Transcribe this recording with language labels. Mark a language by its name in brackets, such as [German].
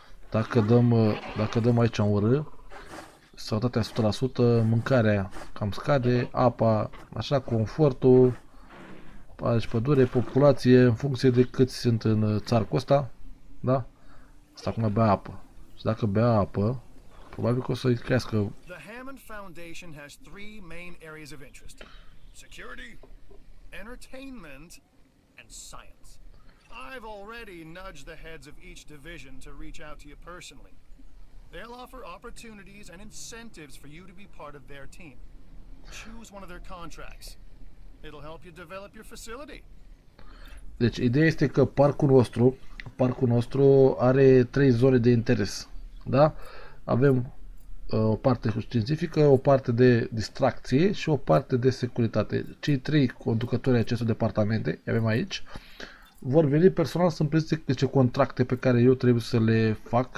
[Romanian] Dacă dăm aici un R, sănătatea 100%, mâncarea cam scade, apa, așa, confortul, deci pădure, populație, în funcție de cât sunt în țarcul ăsta, da? Asta acum bea apă. Și dacă bea apă, probabil că o să-i crească. [English] The Hammond Foundation has three main areas of interest. Security, entertainment and science. I've already nudged the heads of each division to reach out to you personally. They'll offer opportunities and incentives for you to be part of their team. Choose one of their contracts. It'll help you develop your facility. [Romanian] Deci ideea este că parcul nostru are trei zone de interes. Da? Avem o parte științifică, o parte de distracție și o parte de securitate. Cei trei conducători ai acestor departamente, avem aici, vor veni personal să-mi prezinte niște contracte pe care eu trebuie să le fac.